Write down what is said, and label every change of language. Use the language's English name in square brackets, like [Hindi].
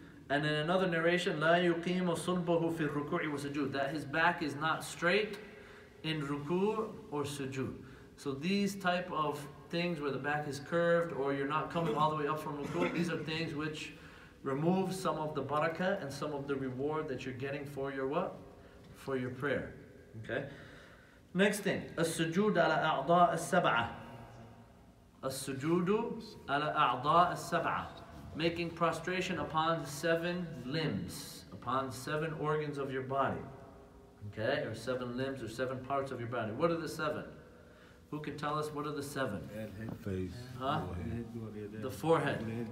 [English] And in another narration, [Arabic] لَا يُقِيمُ صُلْبَهُ فِي الرُّكُوعِ وَسُجُودِ, [English] that his back is not straight in ruku' or sujood. So these type of things where the back is curved or you're not coming all the way up from ruku', these are things which remove some of the barakah and some of the reward that you're getting for your what? For your prayer. Okay? Next thing, [Arabic] السجود على أعضاء السبعة. السجود على أعضاء السبعة. [English] Making prostration upon seven limbs, upon seven organs of your body. Okay? Or seven limbs or seven parts of your body. What are the seven? Who can tell us what are the seven? Face. Huh? The forehead.